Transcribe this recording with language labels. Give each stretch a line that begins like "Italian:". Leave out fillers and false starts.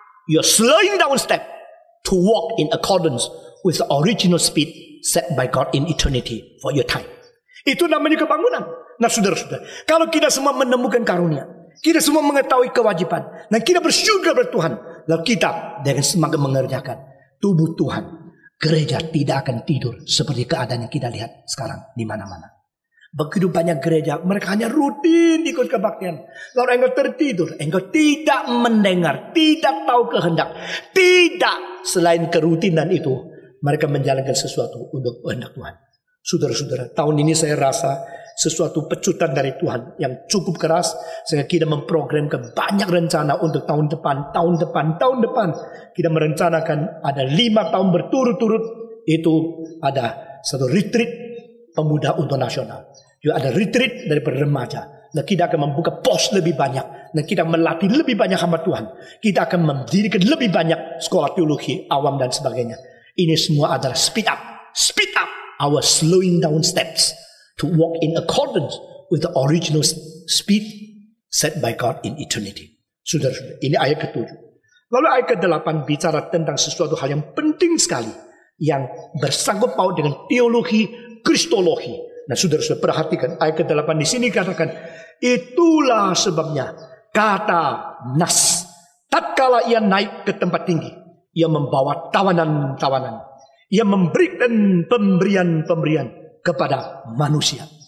English: You're slowing down step to walk in accordance with the original speed set by God in eternity for your time.
Indonesian: Itu namanya kebangunan. Nah, saudara-saudara, kalau kita semua menemukan karunia, kita semua mengetahui kewajiban, dan kita bersyukur kepada Tuhan, lalu kita dengan semangat mengerjakan tubuh Tuhan, gereja tidak akan tidur seperti keadaan yang kita lihat sekarang di mana-mana. Begitu banyak gereja, mereka hanya rutin ikut kebaktian. Lalu engkau tertidur, engkau tidak mendengar, tidak tahu kehendak. Tidak, selain kerutinan itu, mereka menjalankan sesuatu untuk kehendak Tuhan. Saudara-saudara, tahun ini saya rasa sesuatu pecutan dari Tuhan yang cukup keras, sehingga kita memprogramkan banyak rencana untuk tahun depan, tahun depan, tahun depan. Kita merencanakan ada 5 tahun berturut-turut, itu ada satu retreat pemuda untuk nasional. Juga ada retreat dari remaja. Dan kita akan membuka pos lebih banyak. Dan kita melatih lebih banyak hamba Tuhan. Kita akan mendirikan lebih banyak sekolah teologi awam dan sebagainya. Ini semua adalah
English: speed up. Speed up our slowing down steps to walk in accordance with the original speed set by God in eternity.
Indonesian: Saudara-saudara, ini ayat ke-7. Lalu ayat ke-8 bicara tentang sesuatu hal yang penting sekali yang bersangkut paut dengan teologi Kristologi. Nah, saudara-saudara, perhatikan ayat ke-8 di sini katakan, itulah sebabnya kata nas, tatkala ia naik ke tempat tinggi, ia membawa tawanan-tawanan, ia memberikan pemberian-pemberian kepada manusia.